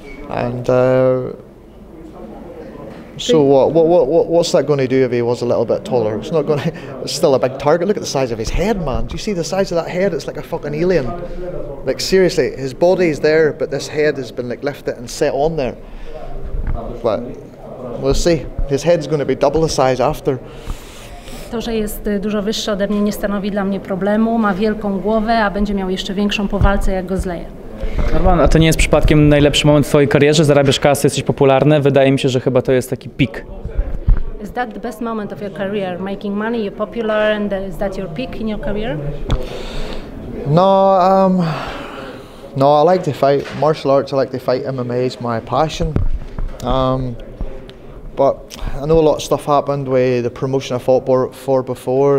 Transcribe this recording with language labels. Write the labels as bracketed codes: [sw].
[en] And so what's that going to do if he was a little bit taller? It's not going to, it's still a big target. Look at the size of his head, man. Do you see the size of that head? It's like a fucking alien. Like, seriously, his body is there, but this head has been like lifted and set on there. But we'll see. His head's going to be double the size after. [pl] To, że jest dużo wyższy ode mnie, nie stanowi dla mnie problemu. Ma wielką głowę, a będzie miał jeszcze większą po walce, jak go zleje. Norman, a to nie jest przypadkiem najlepszy moment w twojej karierze? Zarabiasz kasę, jesteś popularny. Wydaje mi się, że chyba to jest taki peak. [en] Is that the best moment of your career? Making money, you're popular, and is that your peak in your career? No, I like to fight martial arts. I like to fight. MMA is my passion. But I know a lot of stuff happened with the promotion I fought for before.